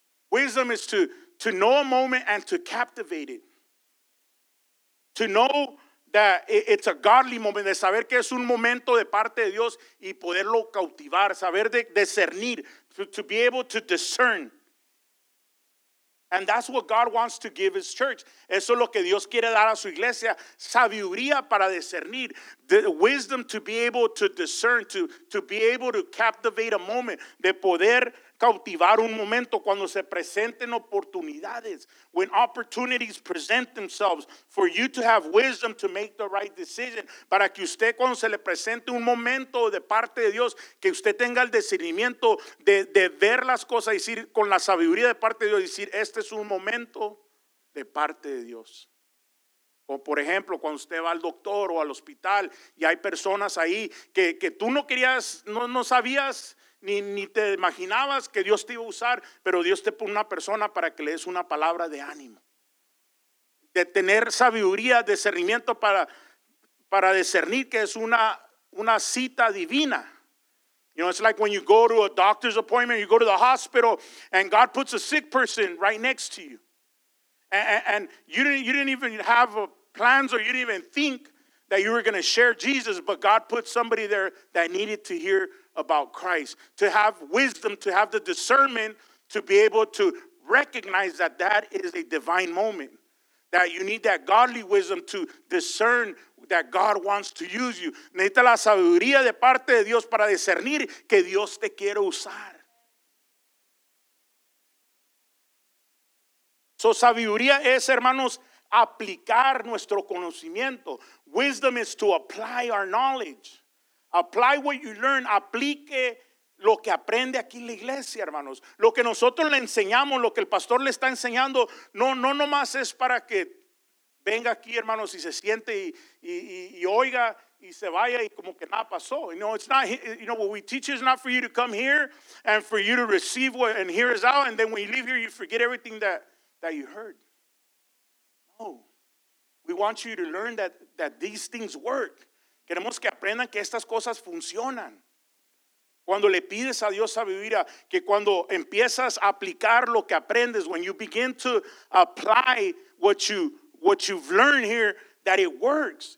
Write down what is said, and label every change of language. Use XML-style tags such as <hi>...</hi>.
<en>Wisdom is to know a moment and to captivate it. To know that it's a godly moment.</en> <es>De saber que es un momento de parte de Dios y poderlo cautivar. Saber de discernir.</es> <en>To be able to discern. And that's what God wants to give his church.</en> <es>Eso es lo que Dios quiere dar a su iglesia. Sabiduría para discernir.</es> <en>The wisdom to be able to discern. To be able to captivate a moment.</en> <es>De poder cautivar un momento cuando se presenten oportunidades.</es> <en>When opportunities present themselves for you to have wisdom to make the right decision.</en> <es>Para que usted cuando se le presente un momento de parte de Dios, que usted tenga el discernimiento de ver las cosas y decir con la sabiduría de parte de Dios, decir este es un momento de parte de Dios. O por ejemplo, cuando usted va al doctor o al hospital y hay personas ahí que tú no querías, no sabías, Ni te imaginabas que Dios te iba a usar, pero Dios te pone una persona para que le des una palabra de ánimo. De tener sabiduría, discernimiento para discernir que es una cita divina.</es> <en>You know, it's like when you go to a doctor's appointment, you go to the hospital, and God puts a sick person right next to you. And you didn't even have plans, or you didn't even think that you were going to share Jesus, but God put somebody there that needed to hear about Christ, to have wisdom, to have the discernment, to be able to recognize that that is a divine moment, that you need that godly wisdom to discern that God wants to use you.</en> <es>Necesita la sabiduría de parte de Dios para discernir que Dios te quiere usar. So sabiduría es, hermanos, aplicar nuestro conocimiento.</es> <en>Wisdom is to apply our knowledge. Apply what you learn.</en> <es>Aplique lo que aprende aquí en la iglesia, hermanos. Lo que nosotros le enseñamos, lo que el pastor le está enseñando, no nomás es para que venga aquí, hermanos, y se siente y oiga y se vaya y como que nada pasó.</es> <en>You know, it's not, you know, what we teach is not for you to come here and for you to receive what and hear us out, and then when you leave here, you forget everything that you heard. No. We want you to learn that these things work.</en> <es>Queremos que aprendan que estas cosas funcionan. Cuando le pides a Dios sabiduría, que cuando empiezas a aplicar lo que aprendes,</es> <en>when you begin to apply what you've learned here, that it works.</en>